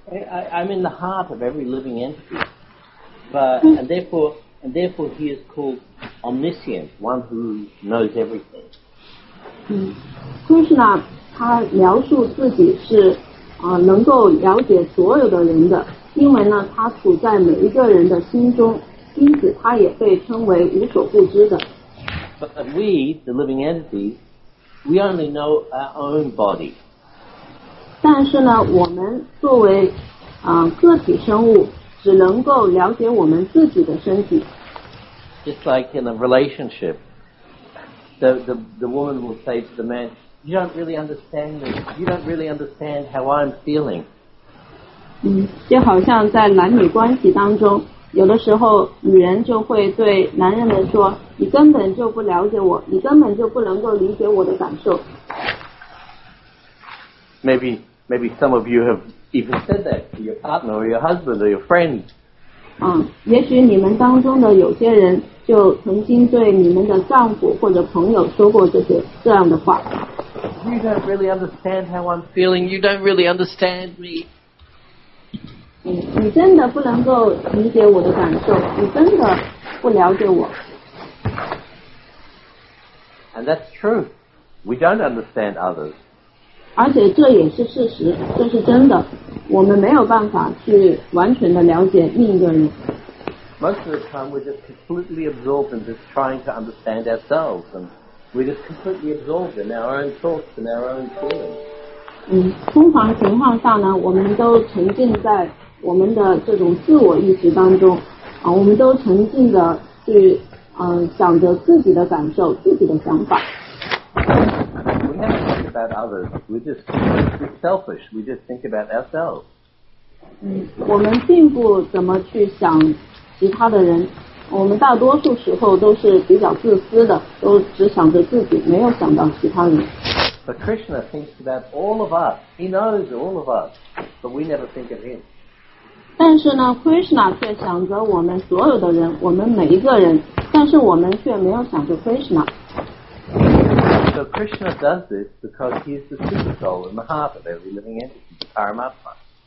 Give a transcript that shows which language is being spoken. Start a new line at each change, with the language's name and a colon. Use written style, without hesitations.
English: I'm in the heart of every living entity. And therefore he is called omniscient, one who knows everything.
Chinese: Krishna, 他描述自己是能够了解所有的人的，因为呢，他处在每一个人的心中，因此他也被称为无所不知的。But
English: we, the living entities, we only know our own body.
Chinese: 但是呢，我们作为个体生物只能够了解我们自己的身体。
English: Just like in a relationship, the woman will say to the man, "You don't really understand me. You don't really understand how I'm feeling."
Chinese: 就好像在男女关系当中，有的时候女人就会对男人们说，你根本就不了解我，你根本就不能够理解我的感受。
English: Maybe some of you have even said that to your partner or your husband or your friend.
Chinese: 也许你们当中的有些人就曾经对你们的丈夫或者朋友说过这样的话。
English: You don't really understand how I'm feeling. You don't really understand me.
Chinese: 你真的不能够理解我的感受，你真的不了解我。
English: And that's true. We don't understand others.
Chinese: 而且这也是事实，这是真的。我们没有办法去完全的了解另一个人。
English: Most of the time, we're just completely absorbed in just trying to understand ourselves, and we're just completely absorbed in our own thoughts and our own feelings.
Chinese: 通常情况下呢，我们都沉浸在我们的这种自我意识当中，我们都沉浸的去想着自己的感受，自己的想法。
English: We never think about others. We're just selfish. We just think about ourselves.
Chinese: 我们并不怎么去想其他的人，我们大多数时候都是比较自私的，都只想着自己，没有想到其他人。
English: But Krishna thinks about all of us. He knows all of us, but we never think of him.
Chinese: 但是呢 ，Krishna 却想着我们所有的人，我们每一个人，但是我们却没有想着 Krishna。
English: So Krishna does this because he is the super soul in the heart of every living entity, Paramatma.